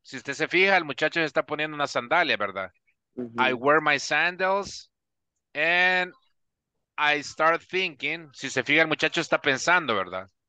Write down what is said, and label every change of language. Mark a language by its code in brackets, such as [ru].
[es] Si usted se fija, el muchacho está poniendo una sandalia, ¿verdad? [en] Mm-hmm. I wear my sandals and I start thinking. [es] Si se fija, el muchacho está pensando, ¿verdad?